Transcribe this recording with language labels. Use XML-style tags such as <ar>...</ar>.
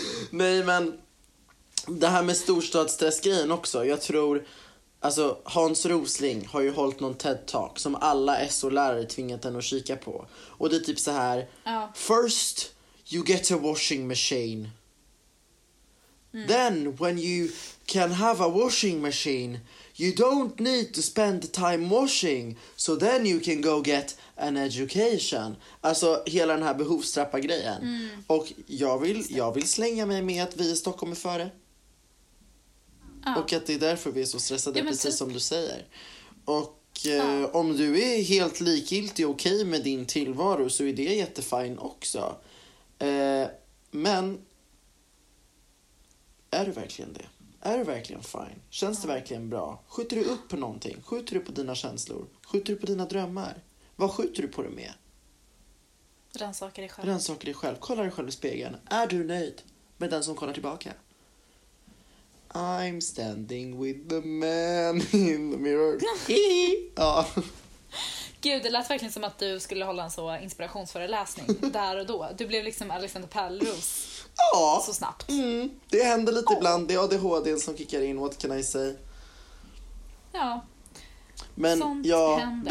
<sv>Nej men det här med storstadsstressgrejen också. Jag tror, alltså Hans Rosling har ju hållit någon TED-talk som alla SO-lärare tvingat en att kika på. Och det är typ så här:</sv> <en>first you get a washing machine. Then when you can have a washing machine, you don't need to spend time washing, so then you can go get an education.</en> <sv>Alltså hela den här behovstrappa grejen. Och jag vill slänga mig med att vi i Stockholm är före. Och att det är därför vi är så stressade, ja, precis som du säger. Och om du är helt likgiltig och okej med din tillvaro så är det jättefint också. Men är du verkligen det? Är du verkligen fine? Känns det verkligen bra? Skjuter du upp på någonting? Skjuter du på dina känslor? Skjuter du på dina drömmar? Vad skjuter du på det med? Rannsaka dig själv. Kolla dig själv i spegeln. Är du nöjd med den som kollar tillbaka?</sv> <en>I'm standing with the man in the mirror.</en> <sv>Ja. Gud, det lät verkligen som att du skulle hålla en så inspirationsföreläsning där och då. Du blev liksom Alexander Pärlros. Ja. Så snabbt. Det händer lite ibland. Det är ADHD som kickar in,</sv> <en>what can I say?</en> <sv>Ja. Men sånt ja, händer.</sv>